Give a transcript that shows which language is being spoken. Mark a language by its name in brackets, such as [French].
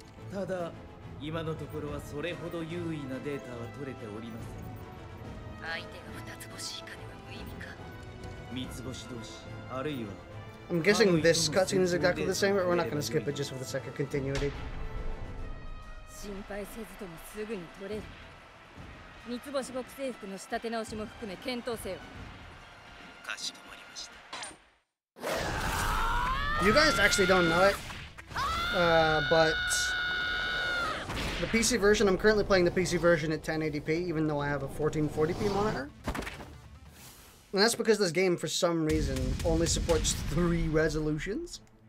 [Japanese] ただ今のところはそれほど有意なデータは取れておりません。相手が二つ星以下では無意味か。三つ星同士あるいは。 [English] I'm guessing this cutscene is exactly the same, but we're not going to skip it just for the sake of continuity. [Japanese] 心配せずともすぐに取れる。三つ星極制服の仕立て直しも含め検討せよ。かしこまりました。 [English] You guys actually don't know it, but the PC version, I'm currently playing the PC version at 1080p, even though I have a 1440p monitor. And that's because this game, for some reason, only supports three resolutions.